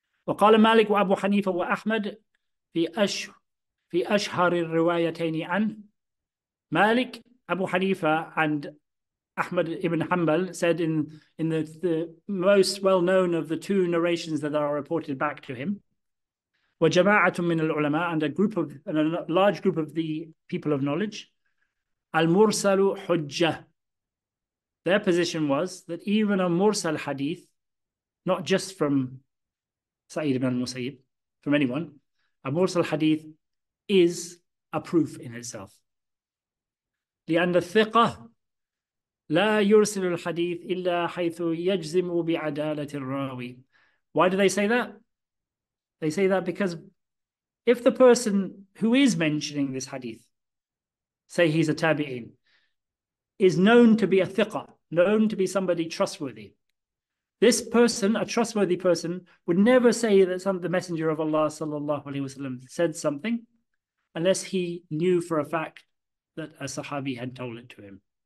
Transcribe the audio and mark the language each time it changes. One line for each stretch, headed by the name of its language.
Arabic: وقال مالك وأبو حنيفة وأحمد في أشهر الروايتين عن مالك أبو حنيفة
English: and Ahmad ibn Hanbal said in the most well known of the two narrations that are reported back to him
Arabic: وجماعة من العلماء
English: and a group of and a large group of the people of knowledge
Arabic: المرسل حجة
English: their position was that even a mursal hadith not just from Sa'id ibn al-Musayyib, from anyone, a mursal hadith is a proof in itself.
Arabic: لأن الثقة لا يرسل الحديث إلا حيث يجزم بعدالة الراوي.
English: Why do they say that? They say that because if the person who is mentioning this hadith, say he's a tabi'in, is known to be a ثقة, known to be somebody trustworthy, this person, a trustworthy person, would never say that the messenger of Allah sallallahu alaihi wasallam said something unless he knew for a fact that a sahabi had told it to him.